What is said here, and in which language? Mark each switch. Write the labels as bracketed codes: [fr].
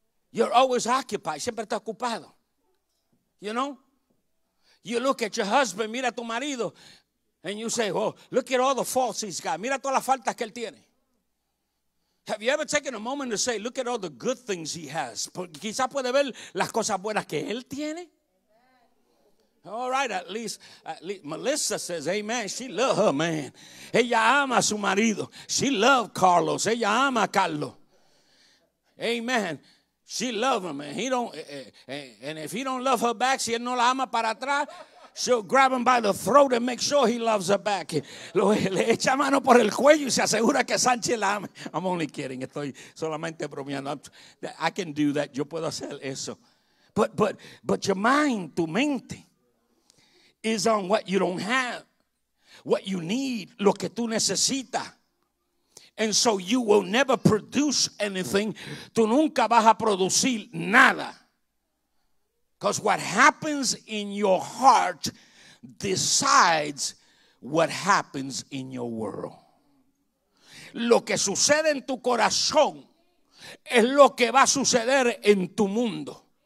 [en] You're always occupied. [es] Siempre está ocupado. [en] You know? You look at your husband, [es] mira a tu marido, [en] and you say, oh, look at all the faults he's got. [es] Mira todas las faltas que él tiene. [en] Have you ever taken a moment to say, look at all the good things he has? [es] Porque quizá puede ver las cosas buenas que él tiene. [en] All right, at least Melissa says amen. She loves her man. [es] Ella ama a su marido. [en] She loves Carlos. [es] Ella ama a Carlos. Amen. [en] She loves him, and he don't. And if he don't love her back, [es] si él no la ama para atrás, [en] she'll grab him by the throat and make sure he loves her back. [es] Le echa mano por el cuello y se asegura que Sánchez la ama. [en] I'm only kidding. [es] Estoy solamente bromeando. [en] I can do that. [es] Yo puedo hacer eso. [en] But your mind, [es] tu mente, [en] is on what you don't have, what you need, [es] lo que tú necesitas. [en] And so you will never produce anything. [es] Tú nunca vas a producir nada. [en] Because what happens in your heart decides what happens in your world. [es] Lo que sucede en tu corazón es lo que va a suceder en tu mundo.